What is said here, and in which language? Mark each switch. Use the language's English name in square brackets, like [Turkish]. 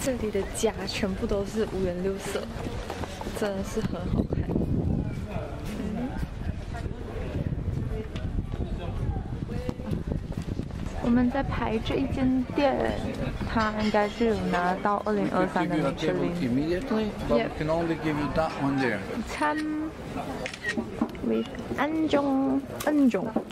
[Chinese] 的家全部都是五颜六色，真的是很好看。我们在排这一间店，他应该是有拿到2023的米其林。 [English] Immediately, but can only give you that one there. [Chinese] 午餐 [English] with [Chinese] 安中，安中。